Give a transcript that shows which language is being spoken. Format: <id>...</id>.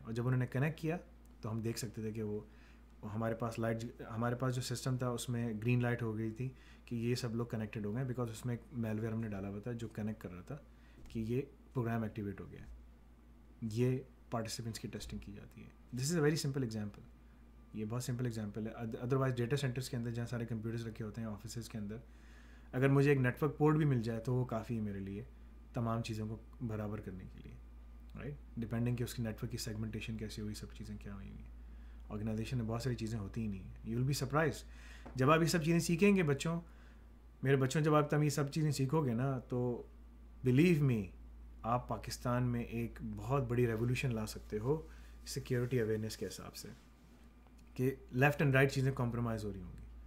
<ur>اور جب انہوں نے کنیکٹ کیا تو ہم دیکھ سکتے تھے کہ وہ ہمارے پاس لائٹ, ہمارے پاس جو سسٹم تھا اس میں گرین لائٹ ہو گئی تھی کہ یہ سب لوگ کنیکٹڈ ہو گئے, بیکاز اس میں ایک میلویئر ہم نے ڈالا ہوا تھا جو کنیکٹ کر رہا تھا کہ یہ پروگرام ایکٹیویٹ ہو گیا ہے. یہ پارٹیسپینٹس کی ٹیسٹنگ کی جاتی ہے.</ur> <en>this is a very simple example,</en> <ur>یہ بہت سمپل ایگزامپل ہے. ادروائز ڈیٹا سینٹرس کے اندر جہاں سارے کمپیوٹرز رکھے ہوتے ہیں آفیسز کے اندر, اگر مجھے ایک نیٹ ورک پورٹ بھی مل جائے تو وہ کافی ہے میرے لیے تمام چیزوں کو برابر کرنے کے لیے. رائٹ, ڈپینڈنگ کہ اس کی نیٹ ورک کی سیگمنٹیشن کیسی ہوئی, سب چیزیں کیا ہوئی ہیں. آرگنائزیشن میں بہت ساری چیزیں ہوتی ہی نہیں ہیں.</ur> <en>you will be surprise</en> <ur>جب آپ یہ سب چیزیں سیکھیں گے بچوں, میرے بچوں, جب آپ تم یہ سب چیزیں سیکھو گے نا تو</ur> <en>believe me</en> <ur>آپ پاکستان میں ایک بہت بڑی ریولیوشن لا سکتے ہو سیکیورٹی اویئرنیس کے حساب سے, کہ لیفٹ اینڈ رائٹ چیزیں کمپرومائز ہو رہی ہوں گی.</ur>